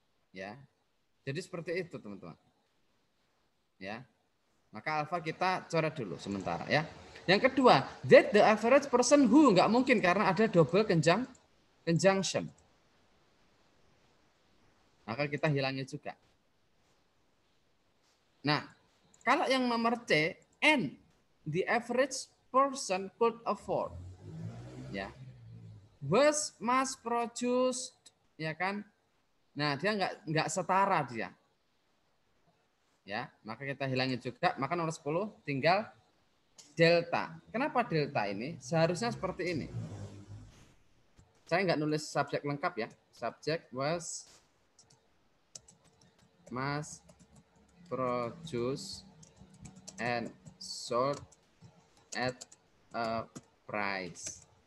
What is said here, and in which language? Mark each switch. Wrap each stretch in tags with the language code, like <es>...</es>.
<id>Ya. Jadi seperti itu, teman-teman. Ya. Maka alfa kita coret dulu sementara, ya. Yang kedua,</id> <en>that the average person who</en> <id>enggak mungkin karena ada</id> <en>double conjunction.</en> <id>Maka kita hilangnya juga. Nah, kalau yang nomor C,</id> <en>and the average person could afford, ya, was mass produced,</en> <id>ya kan? Nah, dia nggak setara dia, ya. Maka kita hilangnya juga. Maka nomor 10 tinggal delta. Kenapa delta ini? Seharusnya seperti ini. Saya nggak nulis subjek lengkap ya.</id> <en>Subjek was mass produced and sold at a price.</en>